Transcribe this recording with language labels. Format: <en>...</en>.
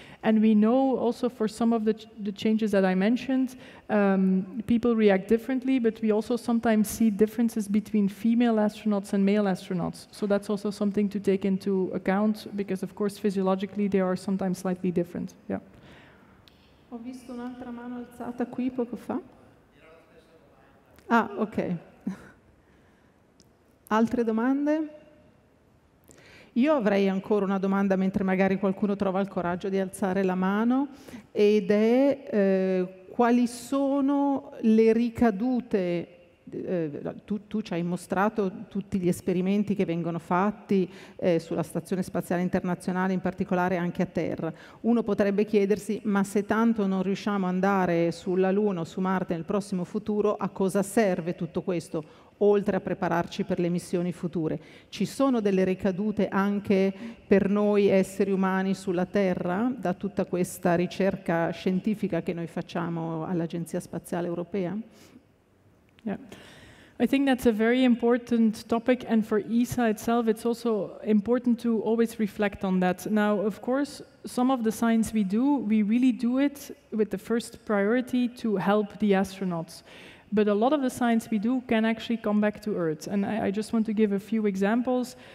<en>And we know also for some of the changes that I mentioned, people react differently, but we also sometimes see differences between female astronauts and male astronauts. So that's also something to take into account because of course, physiologically, they are sometimes slightly different, yeah.</en> <it>Ho visto un'altra mano alzata qui poco fa. Ah, ok. Altre domande? Io avrei ancora una domanda mentre magari qualcuno trova il coraggio di alzare la mano ed è quali sono le ricadute, tu ci hai mostrato tutti gli esperimenti che vengono fatti sulla Stazione Spaziale Internazionale, in particolare anche a Terra. Uno potrebbe chiedersi ma se tanto non riusciamo ad andare sulla Luna o su Marte nel prossimo futuro a cosa serve tutto questo? Oltre a prepararci per le missioni future. Ci sono delle ricadute anche per noi esseri umani sulla Terra da tutta questa ricerca scientifica che noi facciamo all'Agenzia Spaziale Europea?</it> <en>Yeah. I think that's a very important topic, and for ESA itself, it's also important to always reflect on that. Now, of course, some of the science we do, we really do it with the first priority to help the astronauts. But a lot of the science we do can actually come back to Earth. And I just want to give a few examples.</en>